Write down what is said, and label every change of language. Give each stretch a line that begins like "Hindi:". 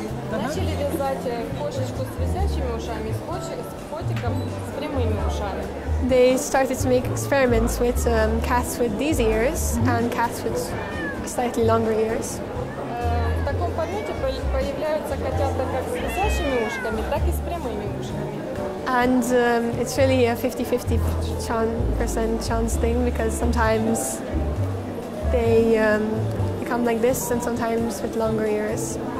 Ukrainian: Почали вязати кошечку з висячими ушами, з котиком з прямими ушами.
English: They started to make experiments with cats with these ears and cats with slightly longer ears.
Ukrainian: В такому форматі появляються котята як з висячими ушками, так і з прямими ушами.
English: And it's really a 50-50 percent chance thing because sometimes they become like this and sometimes with longer ears.